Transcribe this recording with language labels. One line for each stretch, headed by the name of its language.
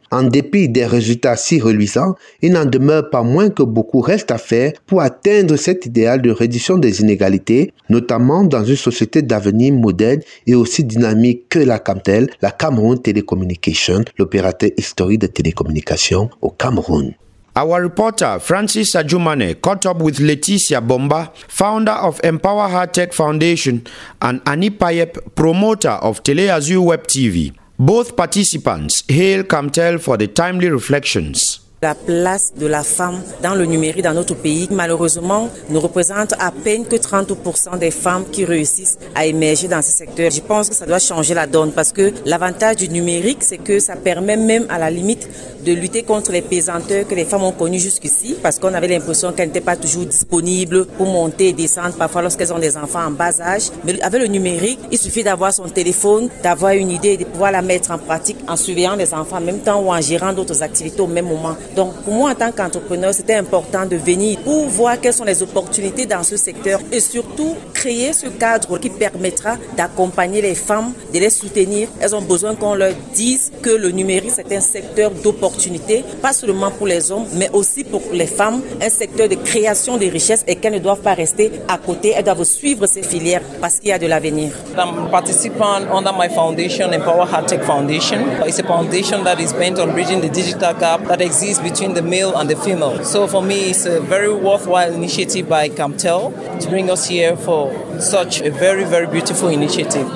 French: En dépit des résultats si reluisants, il n'en demeure pas moins que beaucoup reste à faire pour atteindre cet idéal de réduction des inégalités, notamment dans une société d'avenir moderne et aussi dynamique que la Camtel, la Cameroun Telecommunication, l'opérateur historique de télécommunications au Cameroun.
English: Our reporter Francis Ajumane caught up with Leticia Bomba, founder of Empower High Tech Foundation, and Annie Payep, promoter of Teleazure Web TV. Both participants hail Camtel for the timely reflections.
French: La place de la femme dans le numérique dans notre pays, malheureusement, ne représente à peine que 30% des femmes qui réussissent à émerger dans ce secteur. Je pense que ça doit changer la donne parce que l'avantage du numérique, c'est que ça permet même à la limite de lutter contre les pesanteurs que les femmes ont connues jusqu'ici parce qu'on avait l'impression qu'elles n'étaient pas toujours disponibles pour monter et descendre, parfois lorsqu'elles ont des enfants en bas âge. Mais avec le numérique, il suffit d'avoir son téléphone, d'avoir une idée et de pouvoir la mettre en pratique en surveillant les enfants en même temps ou en gérant d'autres activités au même moment. Donc, pour moi, en tant qu'entrepreneur, c'était important de venir pour voir quelles sont les opportunités dans ce secteur et surtout créer ce cadre qui permettra d'accompagner les femmes, de les soutenir. Elles ont besoin qu'on leur dise que le numérique, c'est un secteur d'opportunités, pas seulement pour les hommes, mais aussi pour les femmes, un secteur de création de richesses et qu'elles ne doivent pas rester à côté. Elles doivent suivre ces filières parce qu'il y a de l'avenir.
English: I'm participant under my foundation, Empower High Tech Foundation. It's a foundation that is bent on bridging the digital gap that exists between the male and the female. So for me, it's a very worthwhile initiative by Camtel to bring us here for such a very, very beautiful initiative.